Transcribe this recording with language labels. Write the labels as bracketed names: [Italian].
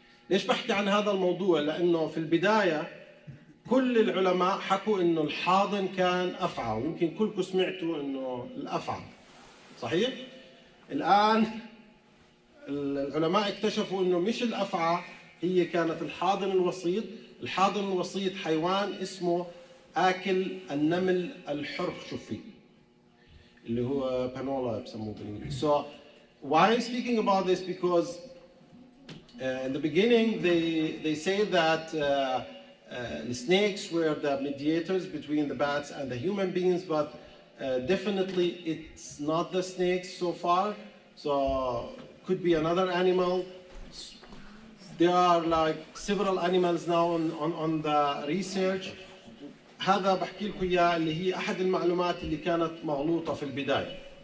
[Arabic] ليش بحكي عن هذا الموضوع؟ لأنه في البداية كل العلماء حكوا إنه الحاضن كان أفعى، ويمكن كلكم سمعتوا إنه الأفعى، صحيح؟ الآن العلماء اكتشفوا إنه مش الأفعى هي كانت الحاضن الوسيط. الحاضن الوسيط حيوان اسمه آكل النمل الحرشفي، اللي هو بانولا بسموه بالإنجليزي. [English] So why I'm speaking about this because in the beginning they say that the snakes were the mediators between the bats and the human beings, but definitely it's not the snakes so far. So could be another animal. There are like several animals now on the research. [Arabic] هذا بحكي لكم إياه اللي هي أحد المعلومات اللي كانت مغلوطة في البداية.